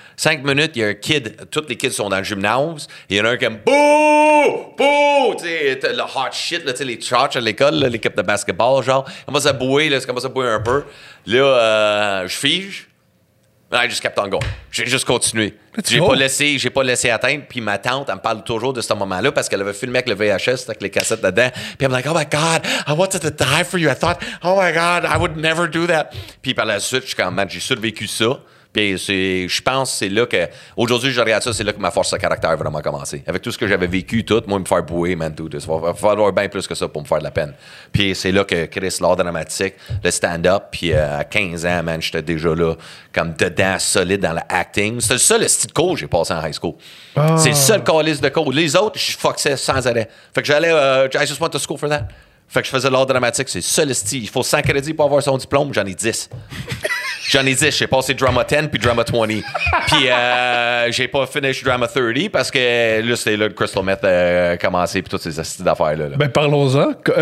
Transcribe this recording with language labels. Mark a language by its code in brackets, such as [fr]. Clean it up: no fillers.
[fr] 5 minutes, il y a un kid, tous les kids sont dans le gymnase, il y en a un qui aime bouh, bouh, tu sais, le hot shit, là, tu sais, les church à l'école, là, l'équipe de basketball, genre, comment ça bouait, là, comment ça bouait un peu. Là, je fige. [en] I just kept on going. [fr] J'ai juste continué. J'ai pas laissé atteindre. Puis ma tante, elle me parle toujours de ce moment-là parce qu'elle avait filmé avec le VHS, avec les cassettes dedans. Puis elle me dit, [en] oh my God, I wanted to die for you. I thought, oh my God, I would never do that. [fr] Puis par la suite, je suis comme, man, j'ai survécu ça. Puis je pense c'est là que, aujourd'hui, je regarde ça, c'est là que ma force de caractère a vraiment commencé. Avec tout ce que j'avais vécu, tout, moi, me faire bouer, man, tout. Il va falloir bien plus que ça pour me faire de la peine. Puis c'est là que Chris, l'art dramatique, le stand-up, puis à 15 ans, man, j'étais déjà là, comme dedans, solide dans l'acting. C'est le seul style de cours que j'ai passé en high school. C'est le seul calice de cours. Les autres, je foxais sans arrêt. Fait que j'allais, [en] I just went to school for that. [fr] Fait que je faisais l'art dramatique, c'est le seul style. Il faut 100 crédits pour avoir son diplôme, j'en ai 10. J'ai passé Drama 10 puis Drama 20. Puis j'ai pas finished Drama 30 parce que là, c'était là que Crystal Meth a commencé puis toutes ces astuces d'affaires-là. Là. Ben, parlons-en.